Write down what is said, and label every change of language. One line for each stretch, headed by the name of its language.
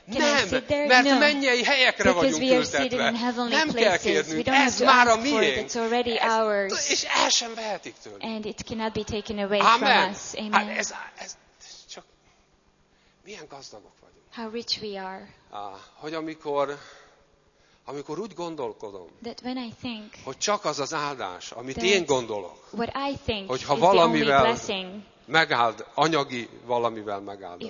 Hungarian: Nem, mert mennyei helyekre vagyunk küldetve. Nem kell kérnünk, ez már a miénk. És el sem vehetik tőlünk.
English: And it cannot be taken away from us.
Hungarian: Amen. Ez csak milyen gazdagok vagyunk.
English: How rich we are.
Hungarian: Hogy amikor úgy gondolkodom, hogy csak az az áldás, amit én gondolok, hogy ha valamivel megáld, anyagi valamivel megáld.